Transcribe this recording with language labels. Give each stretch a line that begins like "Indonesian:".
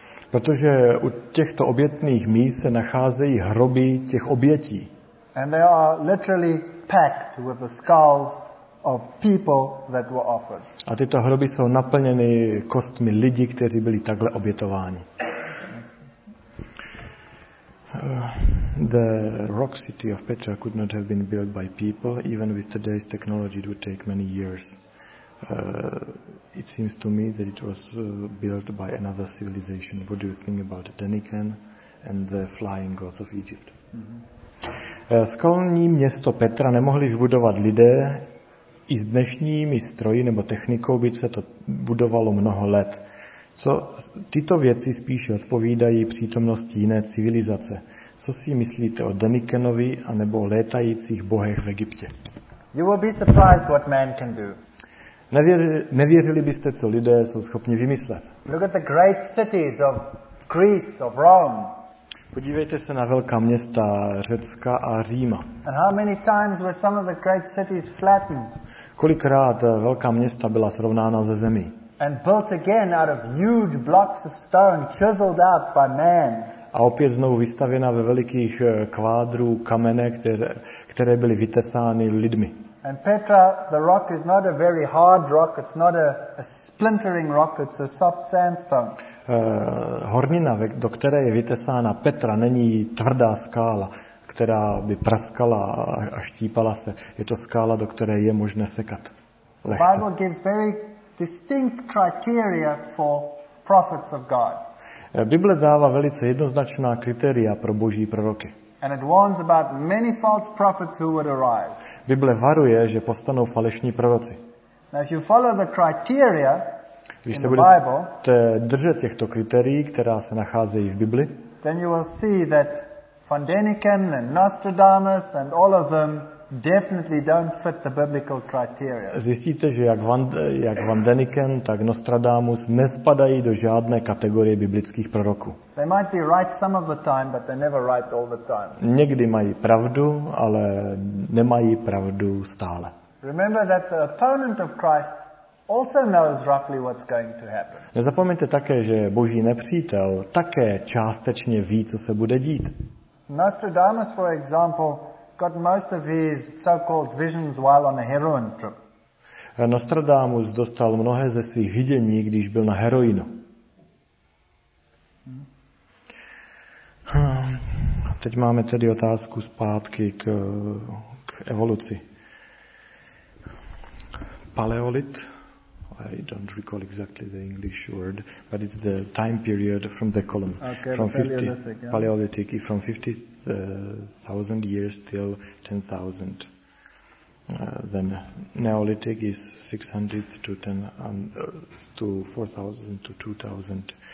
Czech: Protože u těchto obětných míst se nacházejí hroby těch obětí.
English: And they are literally packed with the skulls of people that were offered.
Czech: A tyto hroby jsou naplněny kostmi lidí, kteří byli takhle obětováni.
English: The rock city of Petra could not have been built by people, even with today's technology it would take many years. It seems to me that it was built by another civilization. What do you think about Deniken and the flying gods of Egypt? Mm-hmm.
Czech: Skalní město Petra nemohli vybudovat lidé i s dnešními stroji nebo technikou, byť se to budovalo mnoho let. Co tyto věci spíše odpovídají přítomnosti jiné civilizace? Co si myslíte o Denikenovi a nebo o létajících bohech v Egyptě?
English: You will be surprised what man can do.
Czech: Nevěřili byste, co lidé jsou schopni vymyslet.
English: Look at the great cities of Greece, of Rome.
Czech: Podívejte se na velká města Řecka a Říma.
English: And how many times were some of the great cities flattened?
Czech: Kolikrát velká města byla srovnána ze zemí?
English: And built again out of huge blocks of stone chiseled out by man.
Czech: A opět znovu vystavěna ve velikých kvádrů kamene, které byly vytesány lidmi.
English: And Petra, the rock is not a very hard rock, it's not a splintering rock, it's a soft sandstone.
Czech: Hornina, do které je vytesána Petra, není tvrdá skála, která by praskala a štípala se. Je to skála, do které je možné sekat lehce.
English: The Bible gives very distinct criteria for prophets of God.
Czech: Bible dává velice jednoznačná kritéria pro boží proroky.
English: And it warns about many false prophets who would arrive.
Czech: Bible varuje, že povstanou falešní proroci.
English: Now, if you follow the criteria in the Bible,
Czech: budete držet těchto kritérií, která se nacházejí v Bibli,
English: then you will see that von Däniken and Nostradamus and all of them definitely don't fit the biblical criteria.
Czech: Zjistíte, že jak van Däniken, tak Nostradamus nespadají do žádné kategorie biblických proroků.
English: They might be right some of the time, but they never right all the time.
Czech: Někdy mají pravdu, ale nemají pravdu stále.
English: Remember that the opponent of Christ also knows roughly what's going to happen.
Czech: Nezapomeňte také, že boží nepřítel také částečně ví, co se bude dít.
English: Nostradamus, for example, got most of his so-called visions while on a heroin trip.
Czech: Nostradamus dostal mnohé ze svých vidění, když byl na heroinu. Teď máme tedy otázku zpátky k evoluci.
English: Paleolit, I don't recall exactly the English word, but it's the time period from the column. Okay, from Paleolithic, from 50,000 years till 10,000. Then Neolithic is 600 to 10,000 to 4,000 to 2,000.